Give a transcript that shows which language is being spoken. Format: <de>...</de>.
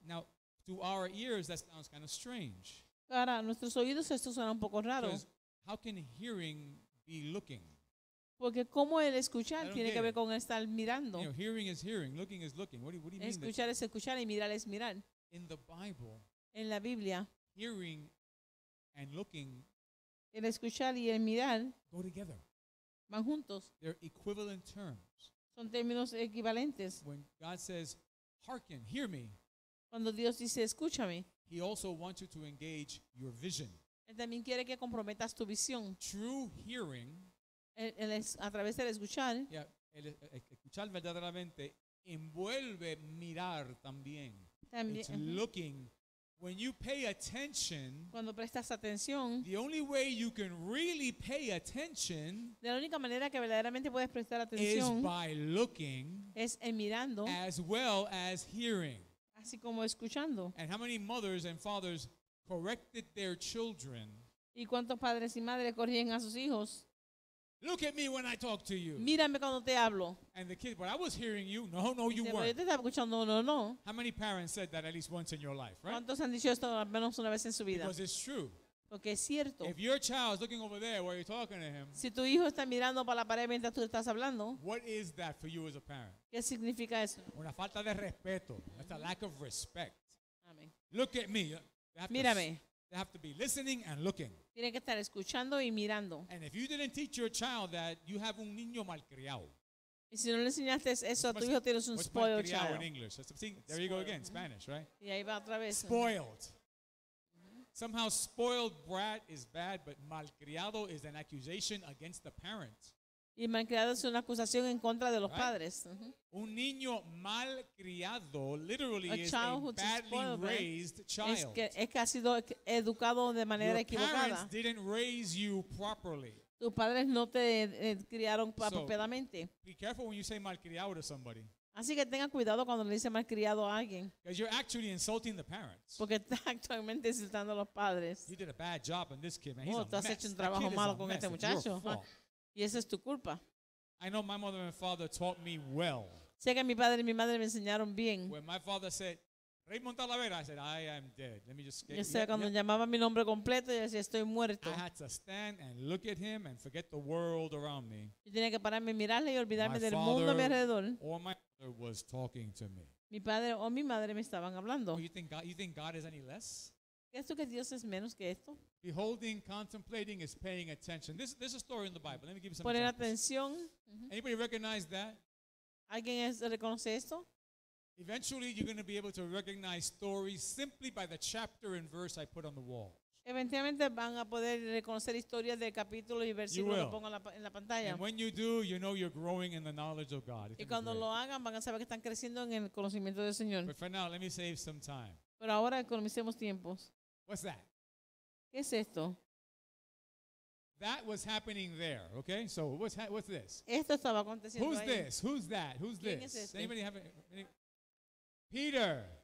<en>Now, to our ears, that sounds kind of strange.</en> <es>Para nuestros oídos esto suena un poco raro.</es> <en>How can hearing be looking?</en> <es>Porque cómo el escuchar tiene que ver con estar mirando.</es> <en>You know, hearing is hearing, looking is looking. What do you mean?</en> <es>Escuchar es escuchar y mirar es mirar.</es> <en>In the Bible.</en> <es>En la Biblia.</es> <en>Hearing and looking,</en> <es>el escuchar y el mirar,</es> <en>go together.</en> <es>Van juntos.</es> <en>They're equivalent terms.</en> <es>Son términos equivalentes.</es> <en>When God says, "Hearken, hear me,"</en> <es>cuando Dios dice, escúchame,</es> <en>He also wants you to engage your vision.</en> <es>Él también quiere que comprometas tu visión.</es> <en>True hearing,</en> <es>a través del escuchar, yeah, el escuchar verdaderamente envuelve mirar también. También.</es> <en>It's looking. When you pay attention,</en> <es>cuando prestas atención,</es> <en>the only way you can really pay attention,</en> <es>de la única manera que verdaderamente puedes prestar atención,</es> <en>is by looking,</en> <es>es en mirando,</es> <en>as well as hearing,</en> <es>así como escuchando.</es> <en>And how many mothers and fathers corrected their children?</en> <es>¿Y cuántos padres y madres corrigen a sus hijos?</es> <en>Look at me when I talk to you.</en> <es>Mírame cuando te hablo.</es> <en>And the kid, but I was hearing you. No, no, you weren't.</en> <es>Yo te estaba escuchando. No, no.</es> <en>How many parents said that at least once in your life, right?</en> <es>¿Cuántos han dicho esto al menos una vez en su vida?</es> <en>Because it's true.</en> <es>Porque es cierto.</es> <en>If your child is looking over there while you're talking to him,</en> <es>si tu hijo está mirando para la pared mientras tú estás hablando,</es> <en>what is that for you as a parent?</en> <es>¿Qué significa eso? Una falta de respeto.</es> <en>It's a lack of respect. Amen. Look at me.</en> <es>Mírame.</es> <en>They have to be listening and looking.</en> <es>Tiene que estar escuchando y mirando.</es> <en>And if you didn't teach your child that, you have</en> <es>un niño malcriado. Y si no le enseñaste eso a tu hijo, tienes un</es> <en>spoiled child. Malcriado in English. There you go again, Spanish, right?</en> <es>Y ahí va otra vez.</es> <en>Spoiled. Somehow spoiled brat is bad, but malcriado is an accusation against the parents.</en> <es>Y malcriado es una acusación en contra de los padres. Un niño malcriado</es> <en>literally is a badly raised child.</en> <es>Es que ha sido educado de manera equivocada.</es> <en>Your parents didn't raise you properly.</en> <es>Tus padres no te criaron apropiadamente.</es> <en>Be careful when you say malcriado to somebody.</en> <es>Así que tenga cuidado cuando le dice malcriado a alguien.</es> <en>Because you're actually insulting the parents.</en> <es>Porque está actualmente insultando a los padres.</es> <en>You did a bad job on this kid, man.</en> <es>Oh, tú has hecho un trabajo malo con este muchacho. Y esa es tu culpa.</es> <en>I know my mother and father taught me well.</en> <es>Sé que mi padre y mi madre me enseñaron bien.</es> <en>When my father said, Raymond Talavera, I said, I am dead. Let me just get you.</en> <es>O sea, cuando llamaba mi nombre completo, yo decía, estoy muerto.</es> <en>I had to stand and look at him and forget the world around me.</en> <es>Yo tenía que pararme, mirarle y olvidarme del mundo a mi alrededor.</es> <en>Or my father was talking to me.</en> <es>Mi padre o mi madre me estaban hablando.</es> <en>Oh, you think God is any less?</en> <es>¿Esto que Dios es menos que esto?</es> <en>Beholding, contemplating is paying attention. This is a story in the Bible. Let me give you some</en> <es>poner</es> <en>examples.</en> <es>Atención.</es> <en>Anybody recognize that?</en> <es>¿Alguien reconoce esto?</es> <en>Eventually, you're going to be able to recognize stories simply by the chapter and verse I put on the wall.</en> <es>Eventualmente van a poder reconocer historias de capítulos y versículos que pongo en la pantalla.</es> <en>And when you do, you know you're growing in the knowledge of God.</en> <es>Y cuando lo hagan, van a saber que están creciendo en el conocimiento del Señor.</es> <en>But for now, let me save some time.</en> <es>Pero ahora economicemos tiempos.</es> <en>What's that?</en> <es>¿Qué es esto?</es> <en>That was happening there, okay? So what's this?</en> <es>Esto estaba aconteciendo</es> <en>Who's</en> <es>ahí.</es> <en>This? Who's that? Who's</en> <es>¿Quién</es> <en>this?</en> <es>Es este?</es> <en>Anybody have any? Peter.</en>